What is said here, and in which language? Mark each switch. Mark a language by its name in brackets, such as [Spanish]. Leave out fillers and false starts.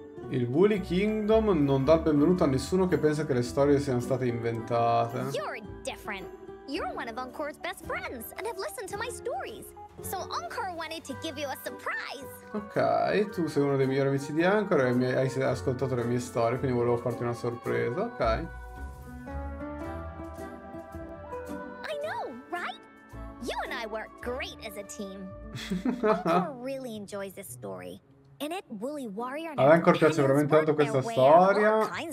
[Italian] Il Woolly Kingdom non dà il benvenuto a nessuno che pensa che le storie siano state inventate. [English] You're different. You're one of Encore's best friends and have listened to my stories. So Encore wanted to give you a surprise. [Italian] Ok, tu sei uno dei migliori amici di Encore e hai ascoltato le mie storie, quindi volevo farti una sorpresa, ok. [English] I know, right? You and I work great as a team. Encore really enjoys this story. [Italian] Ad Encore piace veramente tanto questa storia.